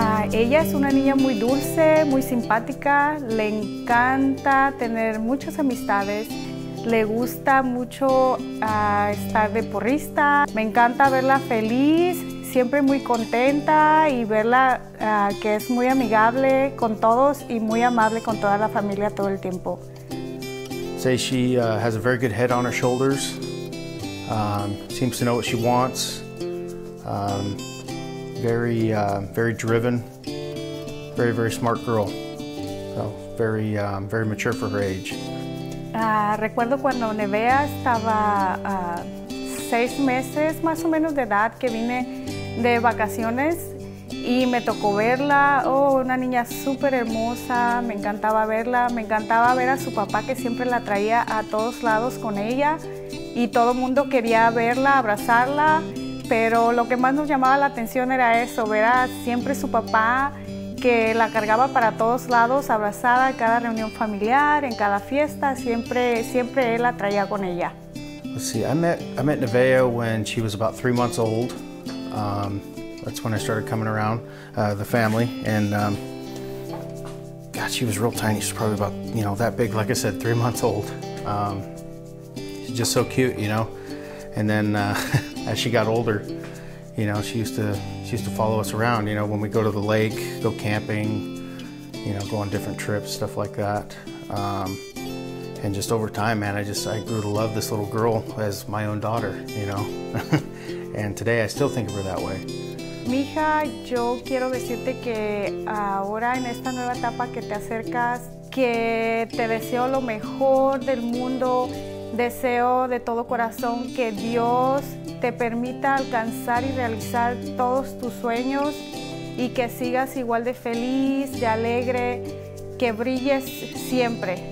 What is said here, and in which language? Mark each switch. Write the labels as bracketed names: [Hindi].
[Spanish] Ella es una niña muy dulce, muy simpática, le encanta tener muchas amistades, le gusta mucho estar de porrista, me encanta verla feliz, siempre muy contenta y verla que es muy amigable con todos y muy amable con toda la familia todo el tiempo. [English] Say she has a very good head on her shoulders, seems to know what she wants, very driven. Very, very smart girl. So very, very mature for her age. [Spanish] Recuerdo cuando Nevaeh estaba 6 meses más o menos de edad que vine de vacaciones y me tocó verla. Oh, una niña súper hermosa. Me encantaba verla. Me encantaba ver a su papá que siempre la traía a todos lados con ella y todo mundo quería verla, abrazarla. Pero lo que más nos llamaba la atención era eso, ver a siempre su papá que la cargaba para todos lados, abrazada en cada reunión familiar, en cada fiesta, siempre él la traía con ella. [English] Let's see, I met Nevaeh when she was about 3 months old. That's when I started coming around the family, and God, she was real tiny. She's probably about, you know, that big. Like I said, 3 months old. She's just so cute, you know. And then as she got older, you know, she used to follow us around, you know, when we go to the lake, go camping, you know, go on different trips, stuff like that. And just over time, man, I grew to love this little girl as my own daughter, you know. And today I still think of her that way. [Spanish] Mija, yo quiero decirte que ahora en esta nueva etapa que te acercas, que te deseo lo mejor del mundo. Deseo de todo corazón que Dios te permita alcanzar y realizar todos tus sueños y que sigas igual de feliz, de alegre, que brilles siempre.